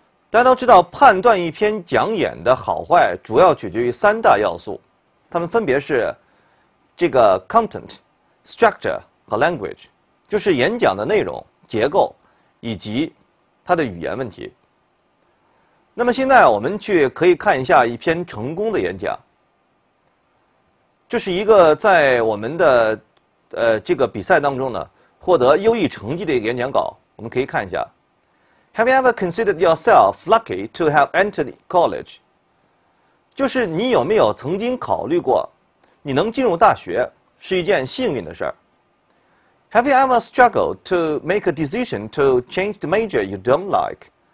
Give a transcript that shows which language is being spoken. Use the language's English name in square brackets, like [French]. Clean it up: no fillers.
[Chinese] 大家都知道，判断一篇讲演的好坏主要取决于三大要素，它们分别是这个 content、structure 和 language， 就是演讲的内容、结构以及它的语言问题。那么现在我们去可以看一下一篇成功的演讲。这是一个在我们的这个比赛当中呢获得优异成绩的一个演讲稿，我们可以看一下。 [English] Have you ever considered yourself lucky to have entered college？ [Chinese] 就是你有没有曾经考虑过，你能进入大学是一件幸运的事儿。 [English] Have you ever struggled to make a decision to change the major you don't like？